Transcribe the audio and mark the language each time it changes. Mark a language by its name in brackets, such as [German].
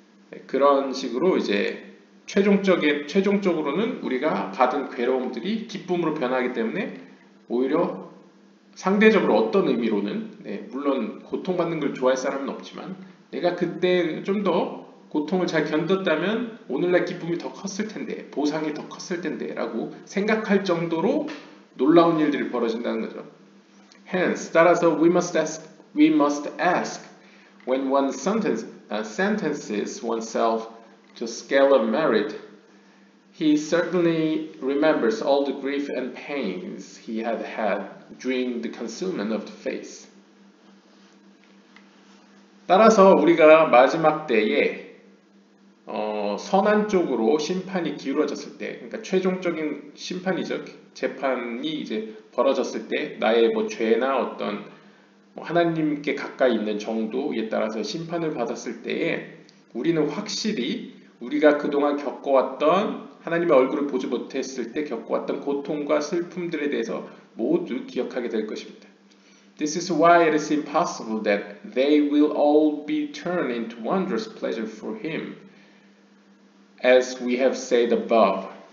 [Korean] 네, 그런 식으로 이제 최종적으로는 우리가 받은 괴로움들이 기쁨으로 변하기 때문에 오히려 상대적으로 어떤 의미로는, 네, 물론 고통받는 걸 좋아할 사람은 없지만 내가 그때 좀 더 고통을 잘 견뎠다면 오늘날 기쁨이 더 컸을 텐데, 보상이 더 컸을 텐데 라고 생각할 정도로 놀라운 일들이 벌어진다는 거죠. [English] Hence, [Korean] 따라서 [English] we must ask when one sentences oneself to scale of merit, he certainly remembers all the grief and pains he had had during the concealment of the face. [Korean] 따라서 우리가 마지막 때에 선한 쪽으로 심판이 기울어졌을 때, 그러니까 최종적인 심판이죠. 재판이 이제 벌어졌을 때 나의 뭐 죄나 어떤 뭐 하나님께 가까이 있는 정도에 따라서 심판을 받았을 때에 우리는 확실히 우리가 그동안 겪어왔던, 하나님의 얼굴을 보지 못했을 때 겪어왔던 고통과 슬픔들에 대해서 모두 기억하게 될 것입니다. [English] This is why it is impossible that they will all be turned into wondrous pleasure for him. As we have said above.